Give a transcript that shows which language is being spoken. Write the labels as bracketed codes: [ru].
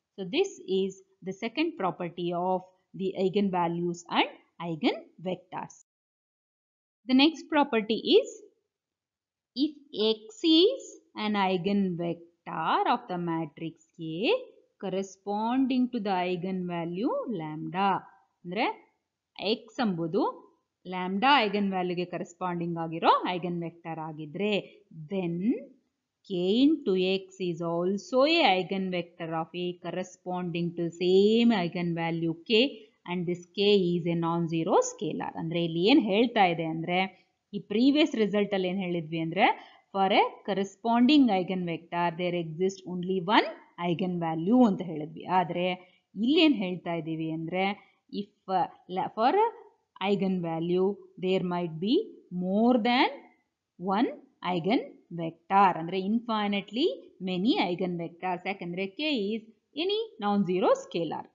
[en] So this is the second property of the eigenvalues and eigenvectors. The next property is if X is an eigenvector of the matrix A corresponding to the eigenvalue lambda. [kn] ಅಂದರೆ x ಎಂಬುದು [en] lambda eigenvalueಗೆ corresponding ಆಗಿರೋ eigenvector ಆಗಿದ್ರೆ then k into x is also a eigenvector of a corresponding to same eigenvalue k and this k is a non-zero scalar. [kn] ಅಂದರೆ ಇಲ್ಲಿ ಏನು ಹೇಳ್ತಾ ಇದೆ ಅಂದರೆ ಈ ಪ್ರೀವಿಯಸ್ ರಿಸಲ್ಟಲ್ಲಿ ಏನು ಹೇಳಿದ್ವಿ ಅಂದರೆ [en] for a corresponding eigenvector there exist only one eigenvalue [kn] ಅಂತ ಹೇಳಿದ್ವಿ. ಆದರೆ ಇಲ್ಲೇನು ಹೇಳ್ತಾ ಇದ್ದೀವಿ ಅಂದರೆ [en] If for eigenvalue there might be more than one eigenvector ಅಂದರೆ infinitely many eigenvectors ಯಾಕಂದರೆ k is any non zero scalar.